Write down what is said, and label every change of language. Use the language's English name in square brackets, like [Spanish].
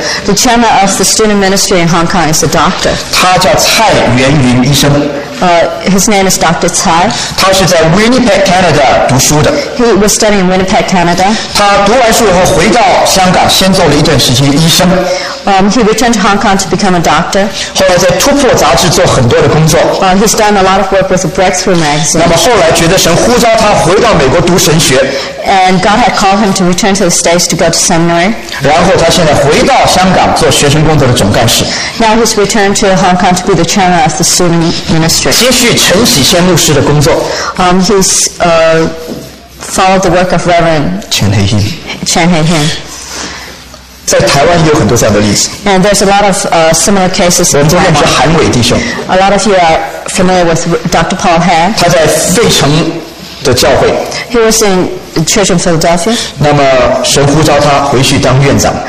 [English] The chairman of the student ministry in Hong Kong is a doctor. [Chinese] 他叫蔡元云医生。 [English] His name is Dr. Tsai. [Chinese] 他是在 Winnipeg, Canada 读书的。 [English] He was studying in Winnipeg, Canada. [Chinese] 他读完书以后回到香港，先做了一段时间医生。 [English] He returned to Hong Kong to become a doctor. [Chinese] 后来在《突破》杂志做很多的工作。 [English] He's done a lot of work with Breakthrough Magazine. [Chinese] 那么后来觉得神呼召他回到美国读神学。 [English] And God had called him to return to the States to go to seminary. [Chinese] 然后他现在回到香港做学生工作的总干事。 [English] Now he's returned to Hong Kong to be the chairman of the student ministry. [Chinese] 接续陈喜先牧师的工作。 [English] He's followed the work of Reverend Chen Hei Hin. Chen Hei Hin. [Chinese] 在台湾也有很多这样的例子。 [English] And there's a lot of similar cases. [Chinese] 我们都认识韩伟弟兄。 [English] A lot of you are familiar with Dr. Paul Han. [Chinese] 他在费城的教会。 [English] He was in church in Philadelphia. [Chinese] 那么神呼召他回去当院长。